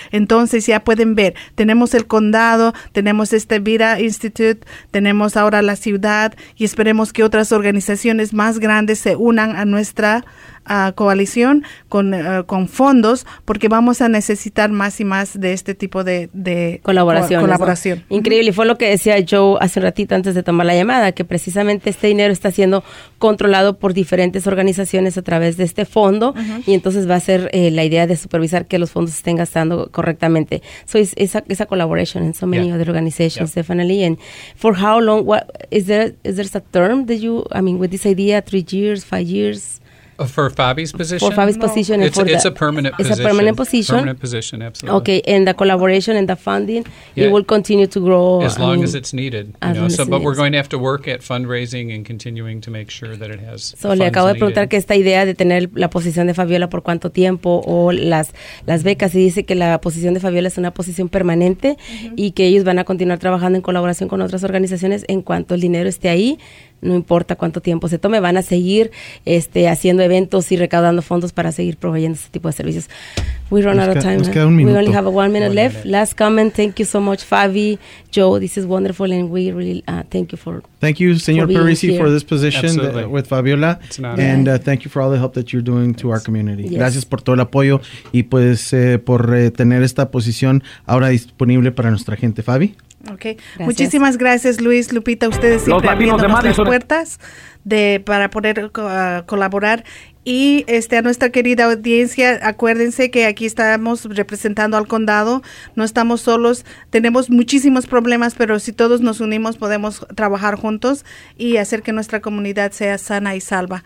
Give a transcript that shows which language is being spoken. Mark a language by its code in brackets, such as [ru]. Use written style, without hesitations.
[es] Entonces ya pueden ver, tenemos el condado, tenemos este Vida Institute, tenemos ahora la ciudad y esperemos que otras organizaciones más grandes se unan a nuestra coalición con fondos, porque vamos a necesitar más y más de este tipo de colaboración. ¿No? Increíble, fue lo que decía Joe hace un ratito antes de tomar la llamada, que precisamente este dinero está siendo controlado por diferentes organizaciones a través de este fondo, y entonces va a ser la idea de supervisar que los fondos estén gastando correctamente. [en] So it's esa collaboration in so many other organizations, definitely. And for how long, is there a term that you, I mean, with this idea, 3 years, 5 years? For Fabi's position? For Fabi's position. No. It's a permanent position. Permanent position, absolutely. Okay, and the collaboration and the funding, it will continue to grow. As long as it's needed. We're going to have to work at fundraising and continuing to make sure that it has funds needed. So, [es] le acabo de preguntar que esta idea de tener la posición de Fabiola por cuánto tiempo o las becas, y dice que la posición de Fabiola es una posición permanente y que ellos van a continuar trabajando en colaboración con otras organizaciones en cuanto el dinero esté ahí. No importa cuánto tiempo se tome, van a seguir haciendo eventos y recaudando fondos para seguir proveyendo este tipo de servicios. [en] We run out of time. We only have 1 minute left. Last comment. Thank you so much, Fabi. Joe, this is wonderful, and we really thank you for. Thank you, Señor Parisi, for this position with Fabiola. It's an honor. And thank you for all the help that you're doing to our community. Yes. [es] Gracias por todo el apoyo y pues por tener esta posición ahora disponible para nuestra gente, Fabi. Okay. Gracias. Muchísimas gracias, Luis, Lupita, ustedes siempre abriendo las puertas para poder colaborar. Y a nuestra querida audiencia, acuérdense que aquí estamos representando al condado, no estamos solos, tenemos muchísimos problemas, pero si todos nos unimos podemos trabajar juntos y hacer que nuestra comunidad sea sana y salva.